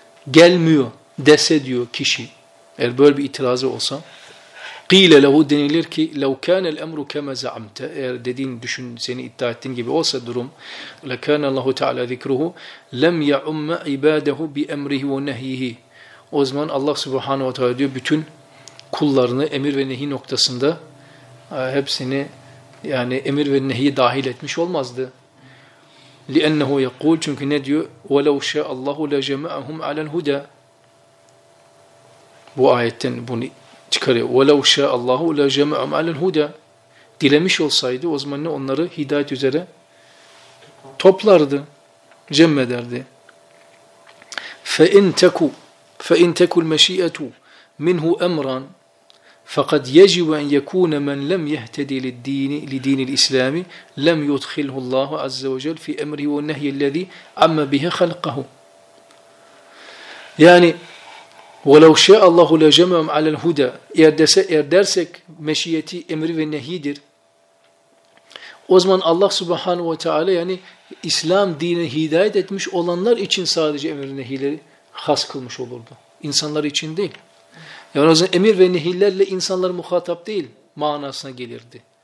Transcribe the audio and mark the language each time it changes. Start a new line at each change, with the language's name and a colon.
Turkish: gelmiyor dese diyor kişi, eğer böyle bir itirazı olsa,
Arabic: قِيلَ لَهُ
Turkish: denilir ki
Arabic: لَوْ كَانَ الْأَمْرُ كَمَ زَعَمْتَ,
Turkish: eğer dediğin, düşün, seni iddia ettiğin gibi olsa durum,
Arabic: لَكَانَ اللّٰهُ تَعَلَى ذِكْرُهُ لَمْ يَعُمَّ عِبَادَهُ بِأَمْرِهِ وَنَهِيهِ.
Turkish: O zaman Allah subhanahu wa ta'ala diyor bütün kullarını emir ve nehi noktasında hepsini yani emir ve nehi dahil etmiş olmazdı.
Arabic: لِأَنَّهُ يَقُول,
Turkish: çünkü ne diyor,
Arabic: وَلَوْ شَاءَ اللّٰهُ لَجَمَعَهُمْ عَلَى الْهُدَى.
Turkish: Bu ayetten bunu çıkarıyor.
Arabic: وَلَوْ شَاءَ اللّٰهُ لَجَمَعَهُمْ عَلَى الْهُدَى.
Turkish: Dilemiş olsaydı o zaman ne, onları hidayet üzere toplardı, cem ederdi.
Arabic: فَاِنْ تَكُ الْمَشِيئَةُ مِنْهُ اَمْرًا فَقَدْ يَجِبَ اَنْ يَكُونَ مَنْ لَمْ يَهْتَدِي لِدِينِ الْاِسْلَامِ لَمْ يُدْخِلْهُ اللّٰهُ عَزَّ وَجَلَ فِي اَمْرِهِ وَالنَّهْيِ الَّذ۪ي عَمَّ بِهِ خَلْقَهُ. Yani وَلَوْ شَاءَ اللّٰهُ لَجَمَعَهُمْ عَلَى الْهُدَى.
Turkish: Eğer dersek meşiyeti emri ve nehidir, o zaman Allah subhanahu ve teala yani İslam dini hidayet etmiş olanlar için sadece emir ve nehileri has kılmış olurdu. İnsanlar için değil. Yani o zaman emir ve nehilerle insanlar muhatap değil manasına gelirdi.